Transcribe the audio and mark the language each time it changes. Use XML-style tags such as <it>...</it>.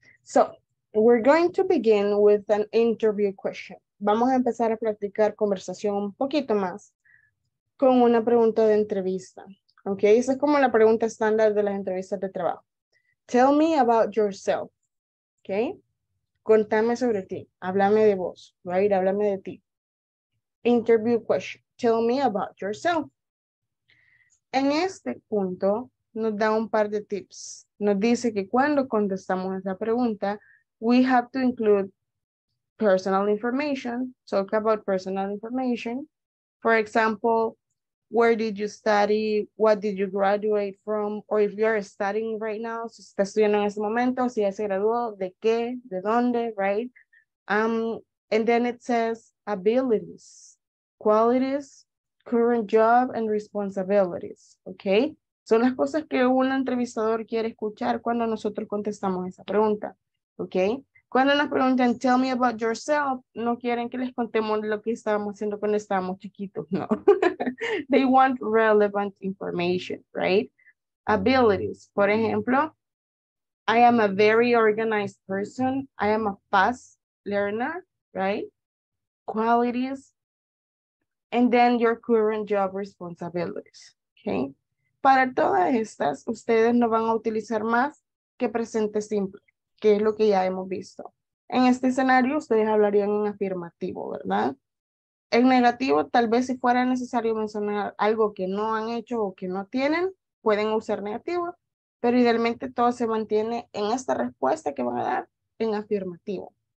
<en>So, we're going to begin with an interview question.</en> <es>Vamos a empezar a practicar conversación un poquito más con una pregunta de entrevista. Okay, esa es como la pregunta estándar de las entrevistas de trabajo.</es> <en>Tell me about yourself. Okay,</en> <es>contame sobre ti. Háblame de vos,</es> <en>right?</en> <es>Háblame de ti.</es> <en>Interview question. Tell me about yourself.</en> <es>En este punto nos da un par de tips. Nos dice que cuando contestamos esa pregunta,</es> <en>we have to include personal information. Talk about personal information. For example, where did you study? What did you graduate from? Or if you're studying right now,</en> <es>si está estudiando en ese momento, si ya se graduó, de qué, de dónde,</es> <en>right? And then it says abilities, qualities, current job and responsibilities, okay?</en> <es>Son las cosas que un entrevistador quiere escuchar cuando nosotros contestamos esa pregunta, okay? Cuando nos preguntan,</es> <en>tell me about yourself,</en> <es>no quieren que les contemos lo que estábamos haciendo cuando estábamos chiquitos, no.</es> <en>They want relevant information, right? Abilities,</en> <es>por ejemplo,</es> <en>I am a very organized person, I am a fast learner, right? Qualities, and then your current job responsibilities, okay?</en> <es>Para todas estas, ustedes no van a utilizar más que presente simple, que es lo que ya hemos visto. En este escenario, ustedes hablarían en afirmativo, ¿verdad? En negativo, tal vez si fuera necesario mencionar algo que no han hecho o que no tienen, pueden usar negativo, pero idealmente todo se mantiene en esta respuesta que van a dar en afirmativo.</es>